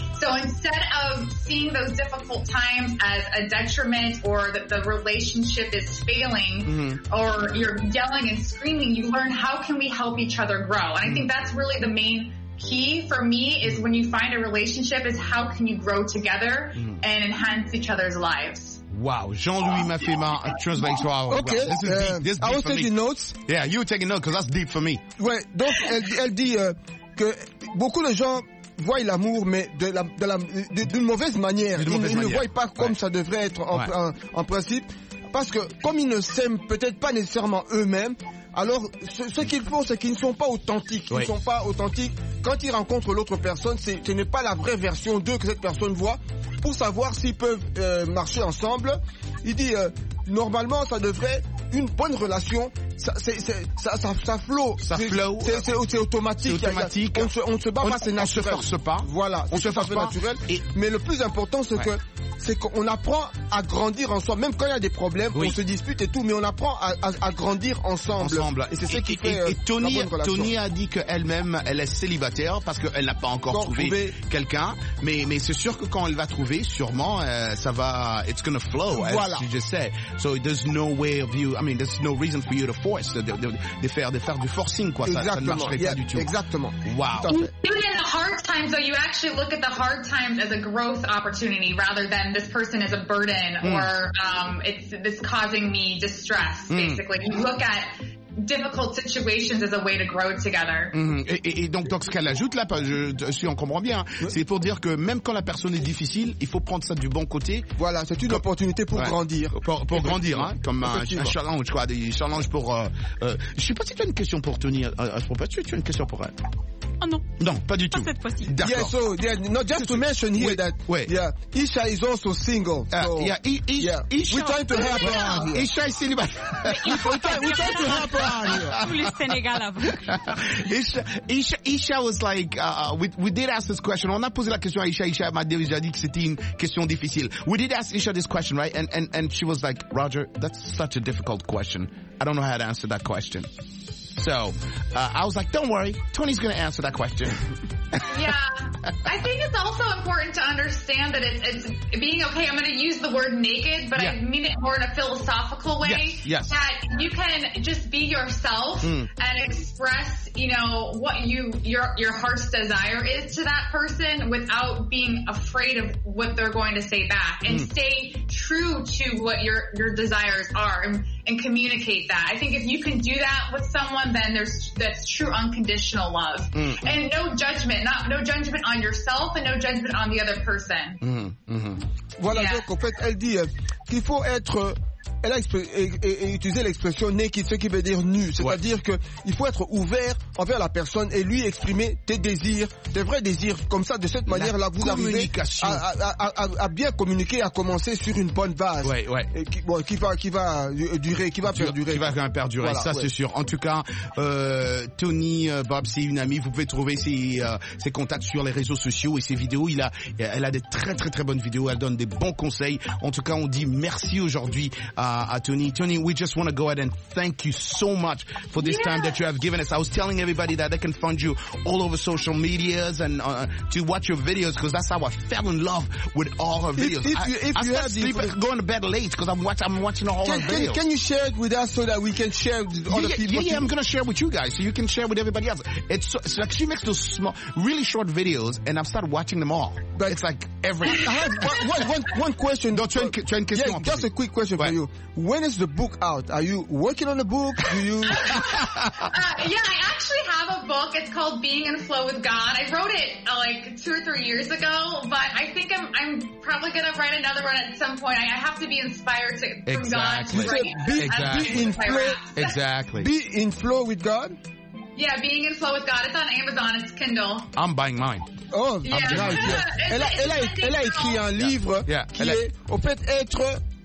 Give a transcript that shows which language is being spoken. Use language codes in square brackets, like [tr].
[en] So instead of seeing those difficult times as a detriment or that the relationship is failing or you're yelling and screaming, you learn how can we help each other grow. And I think that's really the main key for me is when you find a relationship is how can you grow together and enhance each other's lives. Wow, Jean-Louis Mafema, translate for our... Okay, wow. This is deep. This is deep. I was taking notes. Yeah, you were taking notes because that's deep for me. [fr] Ouais, donc elle dit que beaucoup de gens voient l'amour, mais d'une mauvaise manière. Ils ne voient pas comme ça devrait être en principe. Parce que comme ils ne s'aiment peut-être pas nécessairement eux-mêmes, alors ce qu'ils font, c'est qu'ils ne sont pas authentiques. Ils ne sont pas authentiques. Quand ils rencontrent l'autre personne, ce n'est pas la vraie version d'eux que cette personne voit. Pour savoir s'ils peuvent marcher ensemble, il dit, normalement, ça devrait... Une bonne relation, ça flow, c'est automatique. C'est automatique. On ne se bat pas, c'est naturel. Voilà, on se force pas. Naturel. Mais le plus important, c'est qu'on apprend à grandir ensemble. Même quand il y a des problèmes, on se dispute et tout, mais on apprend à grandir ensemble. Et c'est ce qui fait Tony a dit qu'elle-même, elle est célibataire parce qu'elle n'a pas encore trouvé quelqu'un. Mais c'est sûr que quand elle va trouver, sûrement, ça va. [en] It's gonna flow. [fr] Voilà. [en] She just said. So there's no way of you. I mean, there's no reason for you to force. [fr] De faire du forcing, quoi. Exactement. Ça ne marcherait pas du tout. Exactement. [en] Wow. Even in the hard times, though, you actually look at the hard times as a growth opportunity rather than this person is a burden or it's causing me distress, basically. You look at difficult situations as a way to grow together. [fr] Et donc, ce qu'elle ajoute là, si on comprend bien, c'est pour dire que même quand la personne est difficile, il faut prendre ça du bon côté. Voilà, c'est une opportunité pour grandir. Pour grandir, hein, comme un challenge, quoi. Des challenges pour. Je sais pas si tu as une question pour Tony à ce propos. Tu as une question pour elle? Oh non. Non, pas du tout. Pas cette fois-ci. D'accord. [en] Yeah, so, not just to mention here that. Wait. Yeah. Isha is also single. Isha. We're trying to help her out here. Isha is single. We're trying to help her out here. [fr] Plus Sénégal avant. [en] Isha was like, we did ask this question. [fr] On a posé la question à Isha. Isha m'a déjà dit que c'était une question difficile. [en] We did ask Isha this question, right? And she was like, Roger, that's such a difficult question. I don't know how to answer that question. So, I was like, don't worry, Tony's going to answer that question. Yeah, I think it's also important to understand that it's being okay. I'm going to use the word naked, but I mean it more in a philosophical way. Yes. That you can just be yourself and express, you know, what your heart's desire is to that person without being afraid of what they're going to say back and stay true to what your desires are. and communicate that. I think if you can do that with someone, then that's true unconditional love. Mm-hmm. And no judgment on yourself and no judgment on the other person. [fr] Mm-hmm. Voilà, yeah. Donc en fait, elle dit qu'il faut être... Elle a utilisé l'expression naked, ce qui veut dire nu. C'est-à-dire ouais. qu'il faut être ouvert envers la personne et lui exprimer tes désirs, tes vrais désirs. Comme ça, de cette manière-là, vous arrivez à bien communiquer, à commencer sur une bonne base. Ouais, ouais. Et qui va perdurer. Qui va bien perdurer, voilà, ça ouais. c'est sûr. En tout cas, Tony Bob, c'est une amie. Vous pouvez trouver ses contacts sur les réseaux sociaux et ses vidéos. Elle a des très très très bonnes vidéos. Elle donne des bons conseils. En tout cas, on dit merci aujourd'hui. [en] Tony, we just want to go ahead and thank you so much for this time that you have given us. I was telling everybody that they can find you all over social medias and to watch your videos, because that's how I fell in love with all her videos. I started going to bed late because I'm watching all her videos. Can you share it with us so that we can share with other people? Yeah, I'm going to share with you guys so you can share with everybody else. It's like she makes those small, really short videos and I've started watching them all. But it's like every... one question. Just a quick question for you. When is the book out? Are you working on a book? Do you? Yeah, I actually have a book. It's called Being in Flow with God. I wrote it like 2 or 3 years ago, but I think I'm probably going to write another one at some point. I have to be inspired from God. Be in flow with God? Yeah, Being in Flow with God. It's on Amazon. It's Kindle. I'm buying mine. Oh, yeah. I'm buying it. [fr] Elle a écrit un livre qui peut être...